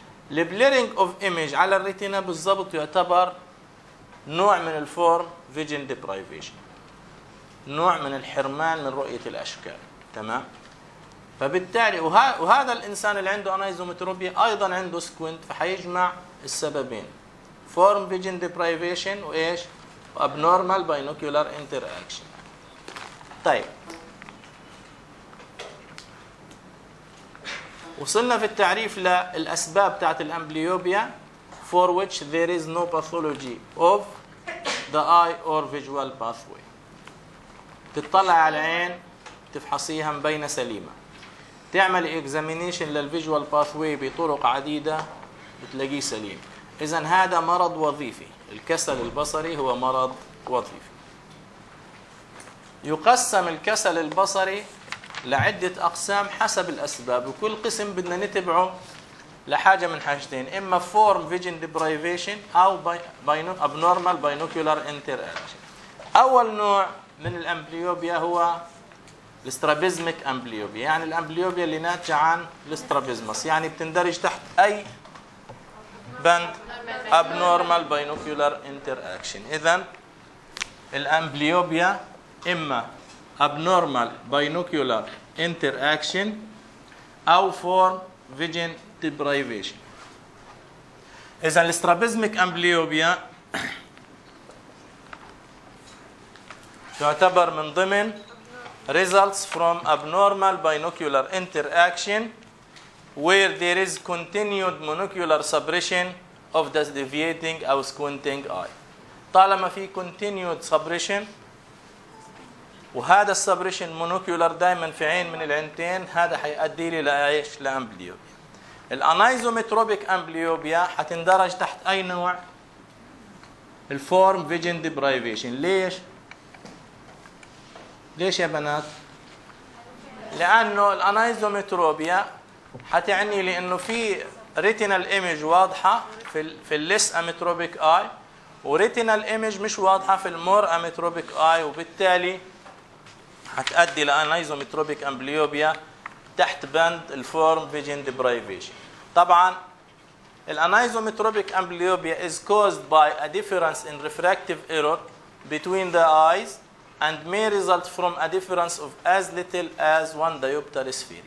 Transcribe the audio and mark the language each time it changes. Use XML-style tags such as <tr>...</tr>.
<en>البليرنج of image</en> <ar>على الريتينا بالضبط يعتبر نوع من</ar> <en>الفورم vision deprivation,</en> <ar>نوع من الحرمان من رؤيه الاشكال، تمام. فبالتالي وهذا الانسان اللي عنده انايزومتروبيا ايضا عنده سكوينت، فحيجمع السببين</ar> <en>form vision deprivation</en> <ar>وايش</ar> <en>Abnormal binocular interaction.</en> <ar>طيب وصلنا في التعريف للاسباب بتاعت الامبليوبيا</ar> <en>for which there is no pathology of the eye or visual pathway.</en> <ar>تطلع على العين تفحصيها مبينه سليمه، تعمل examination للفيجوال pathway بطرق عديده بتلاقيه سليم. اذا هذا مرض وظيفي، الكسل البصري هو مرض وظيفي. يقسم الكسل البصري لعدة أقسام حسب الأسباب، وكل قسم بدنا نتبعه لحاجة من حاجتين، إما</ar> <en>form vision deprivation</en> <ar>أو</ar> <en>abnormal binocular interaction.</en> <ar>أول نوع من الأمبليوبيا هو الاسترابيزميك أمبليوبيا، يعني الأمبليوبيا اللي ناتجة عن الاسترابيزمس، يعني بتندرج تحت أي بند</ar> <en>abnormal binocular interaction.</en> <ar>إذن الأمبليوبيا إما</ar> <en>abnormal binocular interaction</en> <ar>أو</ar> <en>form vision deprivation.</en> <ar>إذا الاسترابيزميك أمبليوبيا تعتبر من ضمن</ar> <en>results from abnormal binocular interaction where there is continued monocular suppression of the deviating or squinting eye.</en> <ar>طالما في</ar> <en>continued suppression</en> <ar>وهذا السبريشن مونوكيولر دائما في عين من العينتين، هذا حيؤدي لي لايش؟ لامبليوبيا. الانايزومتروبيك امبليوبيا حتندرج تحت اي نوع؟</ar> <en>الفورم vision deprivation.</en> <ar>ليش؟ ليش يا بنات؟ لانه الانايزومتروبيا حتعني لي انه في</ar> <en>retinal image</en> <ar>واضحه في</ar> <en>الليس ametropic eye,</en> <ar>وريتينال ايمج مش واضحه في</ar> <en>المور ametropic eye,</en> <ar>وبالتالي هتؤدي لانايزومتروبيك امبليوبيا تحت بند</ar> <en>الفورم vision deprivation.</en> <ar>طبعا الانايزومتروبيك امبليوبيا</ar> <en>is caused by a difference in refractive error between the eyes and may result from a difference of as little as 1 diopter sphere.</en>